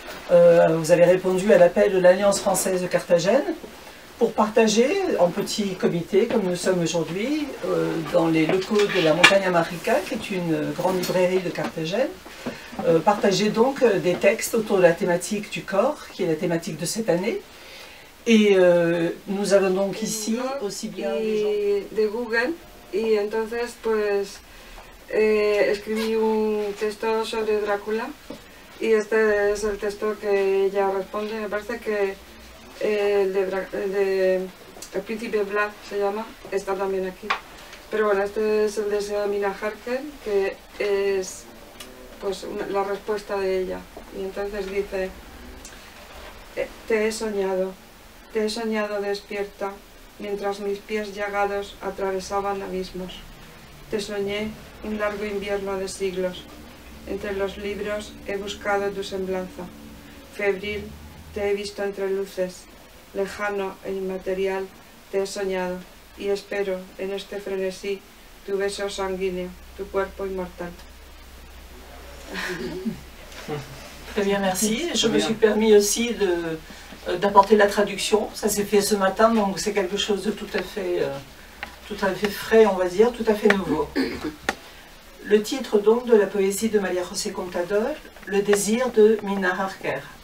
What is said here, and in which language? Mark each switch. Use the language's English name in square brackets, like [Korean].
[French] Vous avez répondu à l'appel de l'Alliance française de Carthagène pour partager en petit comité, comme nous sommes aujourd'hui, dans les locaux de la Montagne America, qui est une grande librairie de Carthagène, partager donc des textes autour de la thématique du corps, qui est la thématique de cette année. Et nous avons donc ici aussi bien les gens de Google. [Spanish] Et entonces, pues, escribí un texto sobre Drácula. Y este es el texto que ella responde. Me parece que el príncipe Vlad se llama, está también aquí. Pero bueno, este es el de Selma Harker, que es pues la respuesta de ella. Y entonces dice: te he soñado. Te he soñado despierta mientras mis pies llagados atravesaban abismos. Te soñé un largo invierno de siglos. Entre los libros he buscado tu semblanza. Febril, te he visto entre luces. Lejano e inmaterial, te he soñado. Y espero en este frenesí tu beso sanguíneo, tu cuerpo inmortal. [French] Très bien, merci. Je me suis permis aussi d'apporter la traduction. Ça s'est fait ce matin, donc c'est quelque chose de tout à fait frais, on va dire, tout à fait nouveau. Le titre donc de la poésie de Maria José Contador, Le désir de Mina Harker.